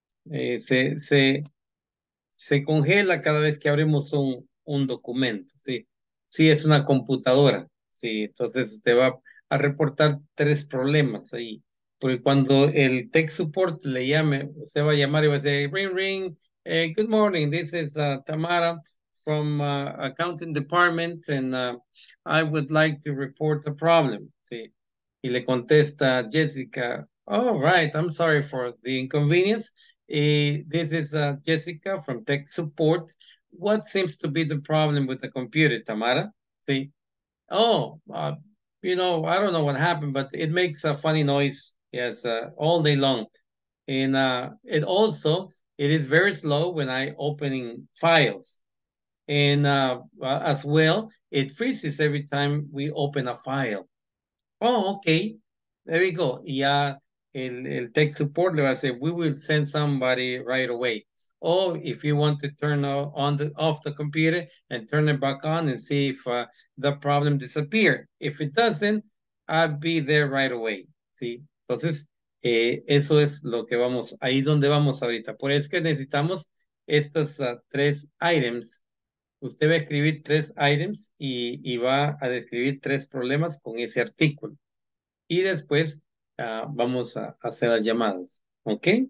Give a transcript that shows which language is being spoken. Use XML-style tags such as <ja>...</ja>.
<es>Se congela cada vez que abrimos un documento. Sí. Sí, es una computadora. Sí. Entonces usted va a reportar tres problemas ahí. Porque cuando el tech support le llame, usted va a llamar y va a decir, ring, ring.</es> <en>Good morning, this is Tamara from accounting department, and I would like to report a problem. Sí.</en> <es>Y le contesta Jessica,</es> <en>oh, right, I'm sorry for the inconvenience. This is Jessica from tech support. What seems to be the problem with the computer, Tamara? Sí. Oh, you know, I don't know what happened, but it makes a funny noise, yes, all day long. And it also, it is very slow when I opening files. And as well, it freezes every time we open a file. Oh, okay. There we go. Yeah, el tech support level, I say, we will send somebody right away. Oh, if you want to turn off the computer and turn it back on and see if the problem disappear. If it doesn't, I'll be there right away. See?</en> <es>¿Sí? Entonces, eso es lo que vamos, ahí es donde vamos ahorita. Por eso es que necesitamos estos tres items. Usted va a escribir tres items y va a describir tres problemas con ese artículo. Y después vamos a hacer las llamadas, ¿ok?</es>